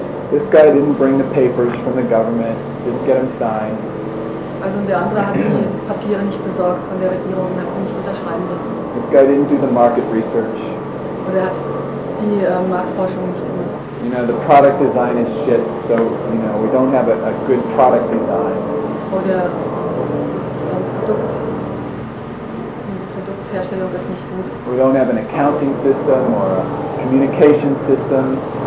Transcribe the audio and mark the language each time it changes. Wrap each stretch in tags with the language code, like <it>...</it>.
<en>This guy didn't bring the papers from the government, didn't get them signed.</en> <de>Also der andere hat die Papiere nicht besorgt von der Regierung, hat sie nicht unterschreiben lassen.</de> <en>This guy didn't do the market research.</en> <de>Oder hat die Marktforschung nicht gemacht.</de> <en>You know, the product design is shit, so, you know, we don't have a good product design.</en> <de>Oder die Produktherstellung ist nicht gut.</de> <en>We don't have an accounting system or a communication system.</en>